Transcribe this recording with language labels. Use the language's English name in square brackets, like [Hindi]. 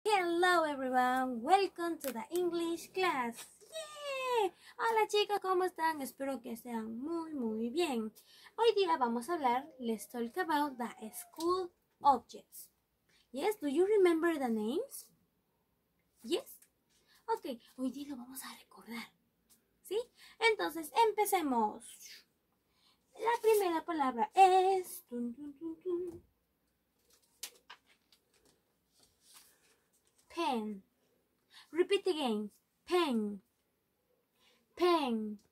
[English] Hello everyone, welcome to the English class. [Spanish] Yeah. Hola chicos, ¿cómo están? Espero que sean muy muy bien. Hoy día vamos a hablar, [English] let's talk about the school objects. Yes, do you remember the names? Yes. [Spanish] Ok, hoy día lo vamos a recordar. ¿Sí? Entonces, empecemos. La primera palabra es... Dun, dun, dun, dun. [English] Pen. Repeat again. Pen. Pen.